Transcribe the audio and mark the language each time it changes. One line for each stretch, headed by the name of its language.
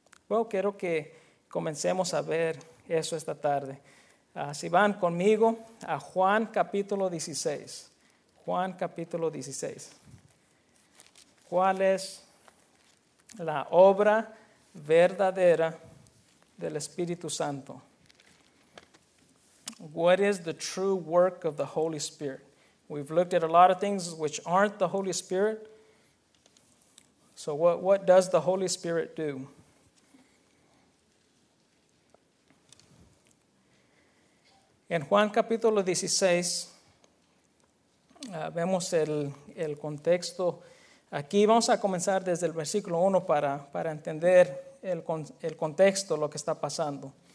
Spanish: Bueno, quiero que comencemos a ver eso esta tarde. Si van conmigo a Juan capítulo 16. Juan capítulo 16. ¿Cuál es la obra verdadera del Espíritu Santo?
English: What is the true work of the Holy Spirit? We've looked at a lot of things which aren't the Holy Spirit. So what does the Holy Spirit do?
Spanish: En Juan capítulo 16, vemos el contexto. Aquí vamos a comenzar desde el versículo 1 para entender el contexto, lo que está pasando.